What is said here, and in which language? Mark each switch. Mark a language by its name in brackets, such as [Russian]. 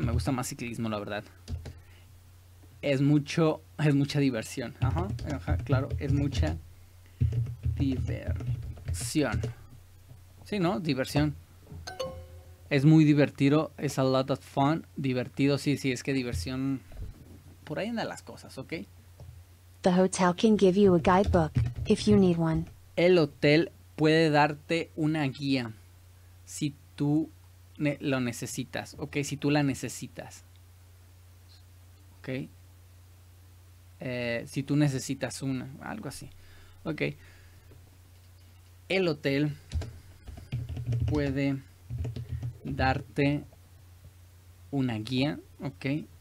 [Spanish] Me gusta más ciclismo, la verdad. Es mucha diversión. Ajá, claro, es mucha diversión. Sí, ¿no? Diversión. Es muy divertido, es [English] a lot of fun. [Spanish] Divertido, sí, sí, es que diversión. Por ahí andan las cosas, ¿ok? [English] The hotel can give you a guidebook if you need one. [Spanish] El hotel puede darte una guía si tú lo necesitas, ¿ok? Si tú la necesitas, ¿ok? Si tú necesitas una, algo así, ¿ok? El hotel puede darte una guía, ¿ok?